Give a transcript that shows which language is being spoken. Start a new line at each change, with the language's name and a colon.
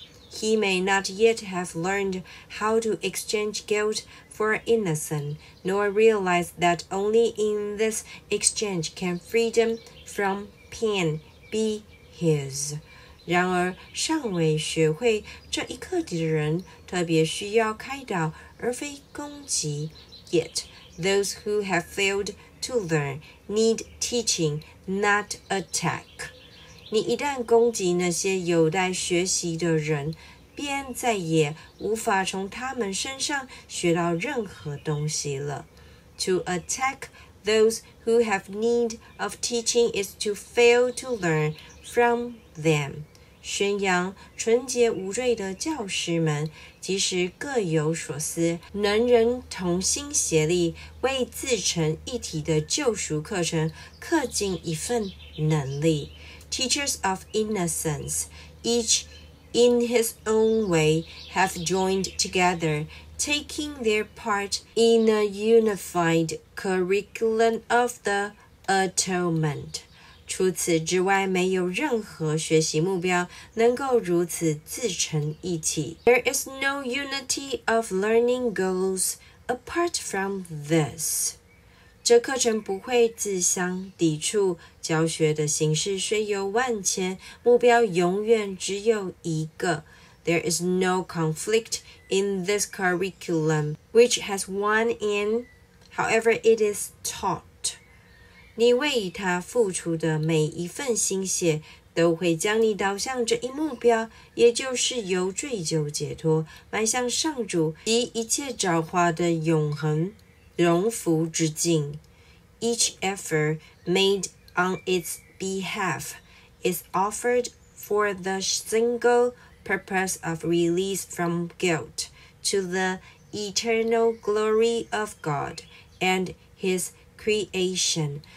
English: He may not yet have learned how to exchange guilt for innocence, nor realize that only in this exchange can freedom from pain be his.
Chinese: 然而尚未学会这一课题的人特别需要开导而非攻击。
English: Yet, those who have failed to learn need teaching, not attack.
Chinese: 你一旦攻击那些有待学习的人，便再也无法从他们身上学到任何东西了。
English: To attack those who have need of teaching is to fail to learn from them.
Chinese: 宣扬纯洁无罪的教师们，即使各有所思，能人同心协力为自成一体的救赎课程刻进一份能力。
English: Teachers of innocence, each in his own way, have joined together, taking their part in a unified curriculum of the atonement.
Chinese: 除此之外，没有任何学习目标能够如此自成一体。
English: There is no unity of learning goals apart from this.
Chinese: 这课程不会自相抵触，教学的形式虽有万千，目标永远只有一个。
English: There is no conflict in this curriculum, which has one end, however it is taught.
Chinese: 你为它付出的每一份心血，都会将你导向这一目标，也就是由罪疚解脱，迈向上主及一切造化的永恒。荣福之境。
English: Each effort made on its behalf is offered for the single purpose of release from guilt to the eternal glory of God and His creation.